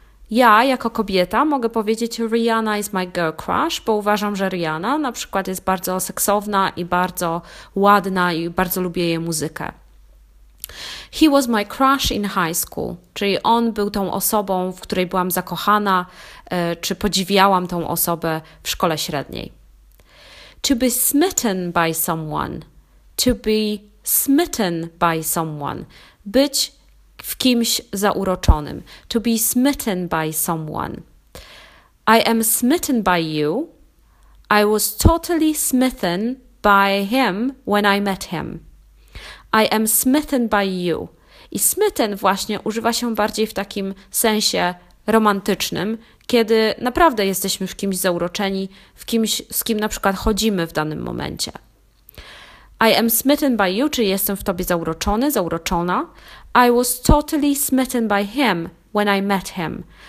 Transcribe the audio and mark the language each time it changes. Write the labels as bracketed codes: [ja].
[pl] Ja jako kobieta mogę powiedzieć: [en] Rihanna is my girl crush, [pl] bo uważam, że Rihanna na przykład jest bardzo seksowna i bardzo ładna i bardzo lubię jej muzykę. [en] He was my crush in high school, [pl] czyli on był tą osobą, w której byłam zakochana, czy podziwiałam tą osobę w szkole średniej. [en] To be smitten by someone. To be smitten by someone. [pl] Być w kimś zauroczonym. [en] To be smitten by someone. I am smitten by you. I was totally smitten by him when I met him. I am smitten by you. [pl] I smitten właśnie używa się bardziej w takim sensie romantycznym, kiedy naprawdę jesteśmy w kimś zauroczeni, w kimś, z kim na przykład chodzimy w danym momencie. [en] I am smitten by you, [pl] czy jestem w tobie zauroczony, zauroczona. [en] I was totally smitten by him when I met him.